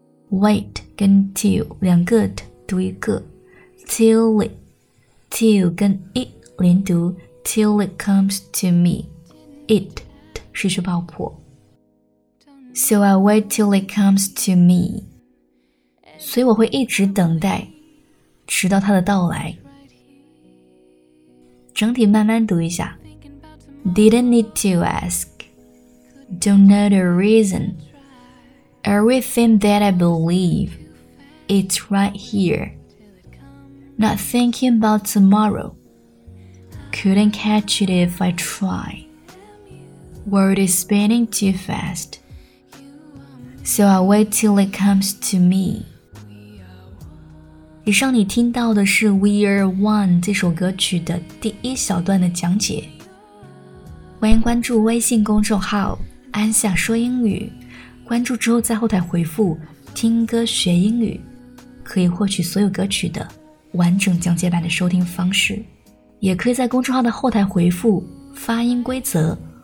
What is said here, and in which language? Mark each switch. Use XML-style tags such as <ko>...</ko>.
<en>Wait 跟 till,</en> <zh>两个 t, 读一个。</zh> <en>Till it, till 跟 it 连读。 Till it comes to me. It,</en> <zh>是去爆破。</zh> <en>So I'll wait till it comes to me.</en> <zh>所以我会一直等待，直到它的到来。整体慢慢读一下。</zh> <en>Didn't need to ask. Don't know the reason. Everything that I believe, it's right here. Not thinking about tomorrow. Couldn't catch it if I try. World is spinning too fast. So I'll wait till it comes to me.</en> <zh>以上你听到的是 We're One 这首歌曲的第一小段的讲解。欢迎关注微信公众号安夏说英语，关注之后在后台回复听歌学英语，可以获取所有歌曲的完整讲解版的收听方式，也可以在公众号的后台回复发音规则</zh>